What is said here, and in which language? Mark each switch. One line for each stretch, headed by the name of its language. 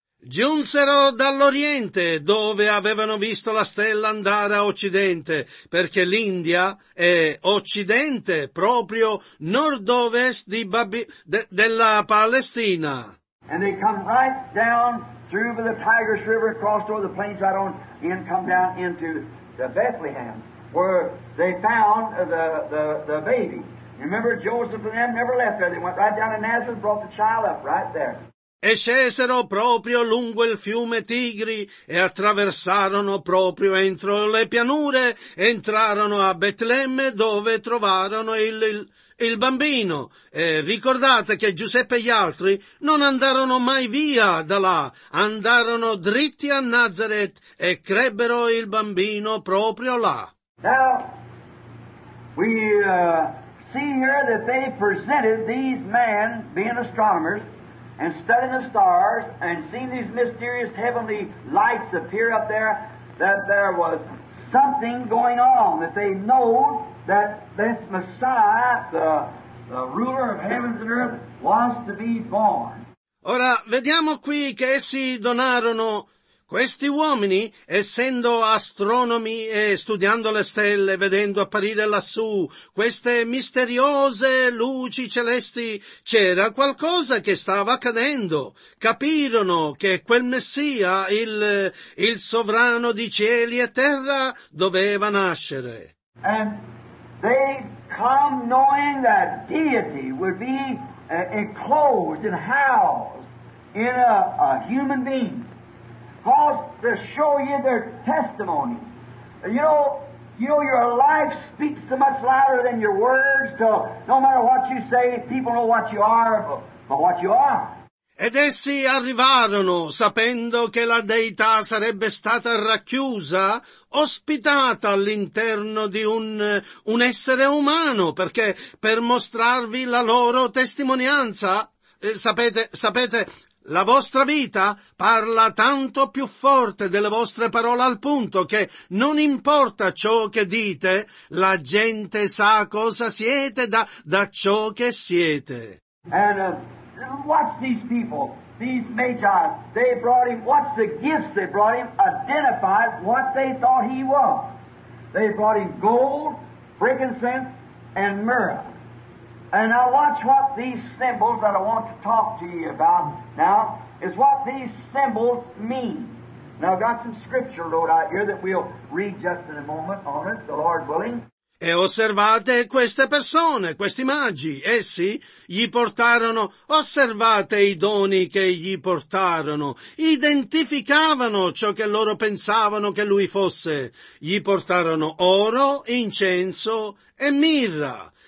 Italian: Giunsero dall'Oriente, dove avevano visto la stella andare a Occidente, perché l'India è Occidente, proprio nord-ovest di della Palestina.
English: And they come right down through the Tigris River, crossed over the plains right on, and come down into the Bethlehem, where they found the baby. You remember Joseph and them never left there. They went right down to Nazareth, brought the child up right there.
Italian: E scesero proprio lungo il fiume Tigri e attraversarono proprio entro le pianure, entrarono a Betlemme dove trovarono il bambino. E ricordate che Giuseppe e gli altri non andarono mai via da là, andarono dritti a Nazareth e crebbero il bambino proprio là.
English: Now, we see here that they presented these men, being astronomers, and studying the stars and seeing these mysterious heavenly lights appear up there, that there was something going on, that they know that this Messiah, the ruler of heavens and earth, was to be born.
Italian: Ora vediamo qui che essi donarono. Questi uomini, essendo astronomi e studiando le stelle, vedendo apparire lassù queste misteriose luci celesti, c'era qualcosa che stava accadendo. Capirono che quel Messia, il sovrano di cieli e terra, doveva nascere.
English: And they come knowing that deity would be enclosed and housed in a human being. Cause to show you their testimony. You know your life speaks so much louder than your words, so no matter what you say, people know what you are, but what you are.
Italian: Ed essi arrivarono, sapendo che la Deità sarebbe stata racchiusa, ospitata all'interno di un essere umano, perché per mostrarvi la loro testimonianza, sapete, la vostra vita parla tanto più forte delle vostre parole al punto che non importa ciò che dite, la gente sa cosa siete da ciò che siete.
English: And watch these people, these magi, they brought him, watch the gifts they brought him, identified what they thought he was. They brought him gold, frankincense, and myrrh. And now watch what these symbols that I want to talk to you about now is what these symbols mean. Now I've got some scripture wrote out here that we'll read just in a moment on it, the Lord willing.
Italian: E osservate queste persone, questi magi, essi gli portarono, osservate i doni che gli portarono, identificavano ciò che loro pensavano che lui fosse, gli portarono oro, incenso e mirra.